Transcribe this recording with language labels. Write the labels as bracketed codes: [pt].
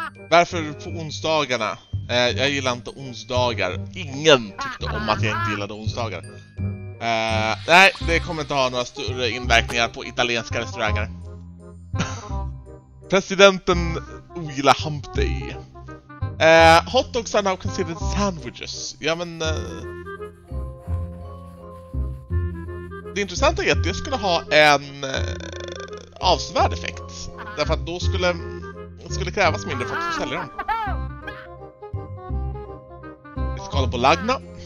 [sv] Varför på onsdagarna? Jag gillar inte onsdagar. Ingen tyckte om att jag inte gillade onsdagar. Nej, det kommer inte ha några större inverkningar på italienska restauranger. Presidenten ogillar [en] hump day. Hot dogs are now considered sandwiches. [sv] Ja, men... det intressanta är att det skulle ha en avsevärd effekt. Därför att då skulle krävas mindre folk som säljer dem. Vi ska kolla på Lagna.